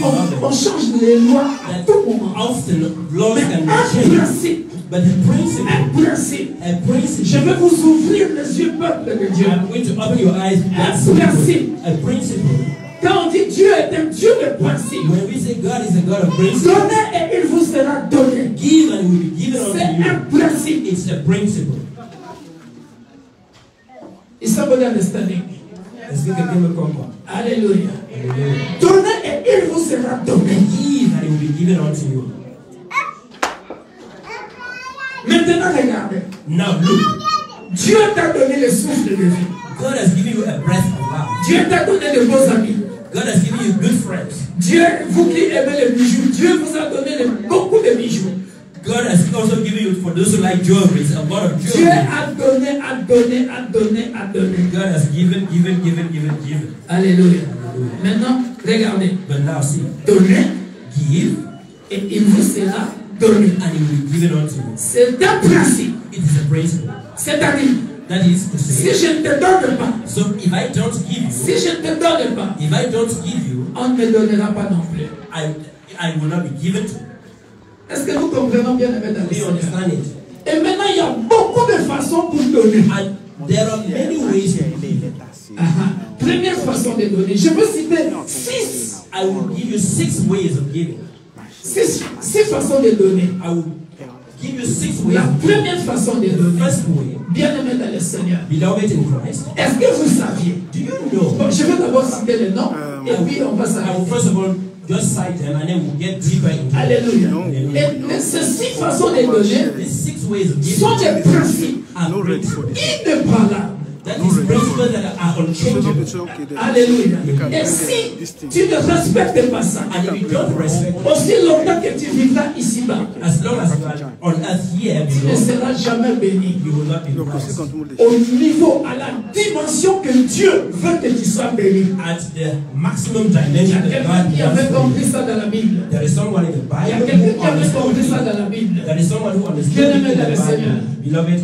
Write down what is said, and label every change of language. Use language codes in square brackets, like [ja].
[fr] on change les lois à tout moment. [en] Often laws [fr] mais [en] can be changed. [fr] Principe, [en] but the principle. [fr] Un principe. [en] A principle. [fr] Je vais vous ouvrir les yeux, peuple de Dieu. [en] I'm going to open your eyes. A principle. [fr] Quand on dit Dieu est un Dieu de principe. [en] When we say God is a God of principle. [fr] Donnez et il vous sera donné. [en] Give and will be given unto you. [fr] C'est un principe. [en] It's a principle. Is somebody understanding? [fr] Est-ce que quelqu'un me comprend? Alléluia. Alléluia. Donnez et il vous sera donné. [en] Give and will be given unto you. [fr] Maintenant regardez. [en] Now look. [fr] Dieu t'a donné le souffle de vie. [en] God has given you a breath of life. [fr] Dieu t'a donné de bons amis. [en] God has given you good friends. [fr] Dieu, vous qui aimez les bijoux, Dieu vous a donné beaucoup de bijoux. [en] God has also given you, for those who like jewelry, a lot of jewelry. [fr] Dieu a donné. [en] God has given. [fr] Alléluia. Alléluia. Maintenant, regardez. [en] But now see. [fr] Donnez. [en] Give. [fr] Et il vous sera donné. [en] And he will give it unto you. [fr] C'est un principe. [en] It is a principle. [fr] C'est-à-dire. [en] That is to say, [fr] si je ne te donne pas, [en] so if I don't give you, [fr] si je ne te donne pas, [en] if I don't give you, [fr] on ne donnera pas non plus. [en] I will not be given to. [fr] Est-ce que nous comprenons bien avec [en] we understand it. [fr] Et maintenant, il y a beaucoup de façons pour donner. [en] And there are many ways to give. [fr] Première façon de donner. Je veux citer six. [en] I will give you six ways of giving. [fr] Six façons de donner. [en] I will give you six ways. [fr] La première façon de donner. [en] First way. [fr] Bien aimé dans le Seigneur. [en] Beloved in Christ. [fr] Est-ce que vous saviez? [en] Do you know? [fr] Bon, je vais d'abord citer le nom et puis on va s'arrêter. [en] I will first of all just cite them and then we'll get deeper into it. [fr] Alléluia. Et ces six façons de donner, [en] les six ways of giving, [fr] sont des principes. Il ne prend là. [en] That is principle that are unchangeable. [fr] Alléluia. Et si tu ne respectes pas ça, [en] and if you don't respect, [fr] aussi longtemps que tu vivras ici-bas, [en] as long as you are on earth here, [fr] tu ne seras jamais béni. [en] You will not be blessed. [fr] Au niveau, à la dimension que Dieu veut que tu sois béni. [en] At the maximum dimension that God wants. [fr] Il y a quelqu'un qui avait compris ça dans la Bible. [en] There is someone in the Bible. [fr] Il y a quelqu'un qui avait compris ça dans la Bible. [en] There is someone who understands. [fr] Bien aimé dans le Seigneur. [en] Beloved.